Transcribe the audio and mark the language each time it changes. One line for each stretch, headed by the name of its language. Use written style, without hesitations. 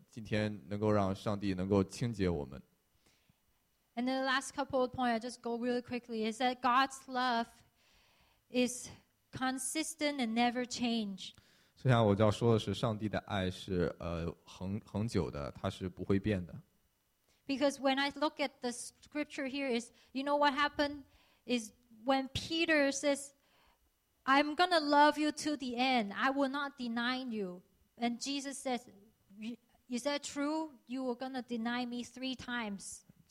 Chinese: 所以我们现在祈祷，我们在这个今天能够让上帝能够清洁我们。
English: And then the last couple of points, I'll just go really quickly, is that God's love is consistent and never changed.
Chinese: 所以我就要说的是，上帝的爱是恒久的，它是不会变的。
English: Because when I look at the scripture here, is you know what happened? Is when Peter says, I'm going to love you to the end. I will not deny you. And Jesus says, is that true? You are going to deny me three times.